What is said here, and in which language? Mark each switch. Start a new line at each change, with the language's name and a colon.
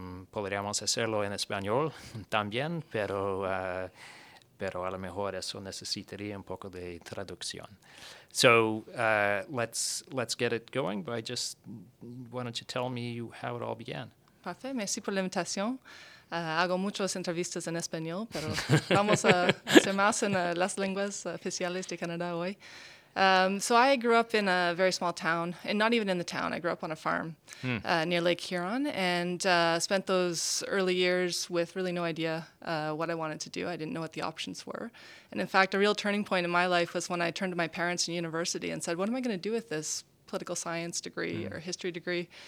Spanish: Podríamos hacerlo en español también, pero a lo mejor eso necesitaría un poco de traducción.
English: So let's get it going by just, why don't you tell me how it all began?
French: Parfait, merci pour l'invitation.
Spanish: Hago muchas entrevistas en español, pero vamos a hacer más en las lenguas oficiales de Canadá hoy.
English: So I grew up in a very small town, and not even in the town. I grew up on a farm near Lake Huron, and spent those early years with really no idea what I wanted to do. I didn't know what the options were. And in fact, a real turning point in my life was when I turned to my parents in university and said, what am I going to do with this political science degree or history degree?